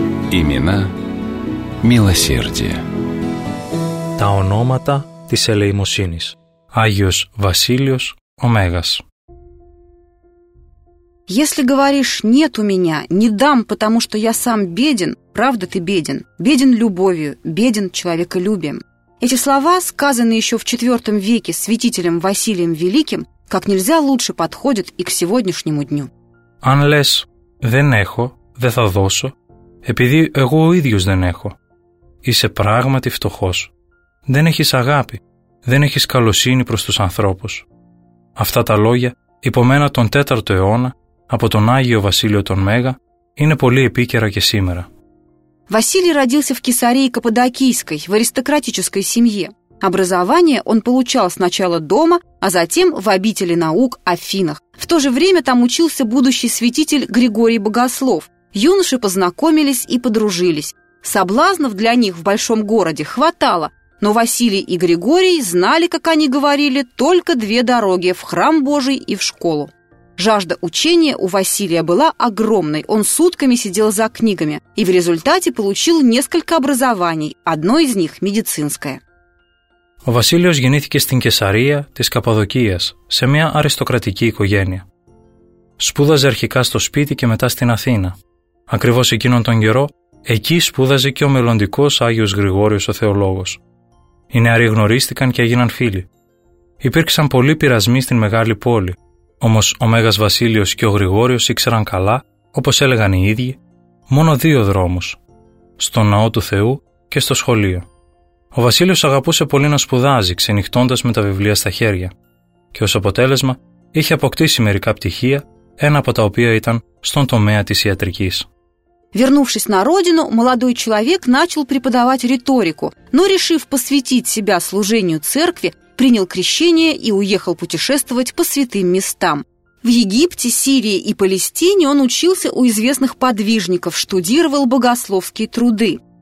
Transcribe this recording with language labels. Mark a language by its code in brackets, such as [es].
[ru] Имена милосердия. [el] Τα ονόματα της ελεημοσύνης. Άγιος Βασίλειος Ωμέγας. [ru] Если говоришь «нет у меня», «не дам, потому что я сам беден», правда ты беден, беден любовью, беден человеколюбием. Эти слова, сказанные еще в IV веке святителем Василием Великим, как нельзя лучше подходят и к сегодняшнему дню. [el] Αν λες «δεν έχω», «δεν θα δώσω», επειδή εγώ ο ίδιος δεν έχω. Είσαι πράγματι φτωχός. Δεν έχεις αγάπη. Δεν έχεις καλοσύνη προς τους ανθρώπους. Αυτά τα λόγια, υπομένα τον 4ο αιώνα, από τον Άγιο Βασίλειο τον Μέγα, είναι πολύ επίκαιρα και σήμερα. [ru] Василий родился в Кесарии Каппадокийской, в аристократической семье. Образование он получал сначала дома, а затем в обители наук Афинах. В то же время там учился будущий святитель Григорий Богослов. Юноши познакомились и подружились. Соблазнов для них в большом городе хватало, но Василий и Григорий знали, как они говорили, только две дороги – в храм Божий и в школу. Жажда учения у Василия была огромной, он сутками сидел за книгами и в результате получил несколько образований, одно из них – медицинское. [el] Ο Βασίλειος γεννήθηκε στην Κεσαρία της Καπαδοκίας, σε μια αριστοκρατική οικογένεια. Σπούδαζε αρχικά στο σπίτι και μετά στην Αθήνα. Ακριβώς εκείνον τον καιρό, εκεί σπούδαζε και ο μελλοντικός Άγιος Γρηγόριος ο Θεολόγος. Οι νεαροί γνωρίστηκαν και έγιναν φίλοι. Υπήρξαν πολλοί πειρασμοί στην μεγάλη πόλη, όμως ο Μέγας Βασίλειος και ο Γρηγόριος ήξεραν καλά, όπως έλεγαν οι ίδιοι, μόνο δύο δρόμους, στο ναό του Θεού και στο σχολείο. Ο Βασίλειος αγαπούσε πολύ να σπουδάζει, ξενυχτώντας με τα βιβλία στα χέρια, και ως αποτέλεσμα είχε αποκτήσει μερικά πτυχία, ένα από τα οποία ήταν στον τομέα της ιατρικής. [ru] Вернувшись на родину, молодой человек начал преподавать риторику, но, решив посвятить себя служению церкви, принял крещение и уехал путешествовать по святым местам. В Египте, Сирии и Палестине он учился у известных подвижников, штудировал богословские труды.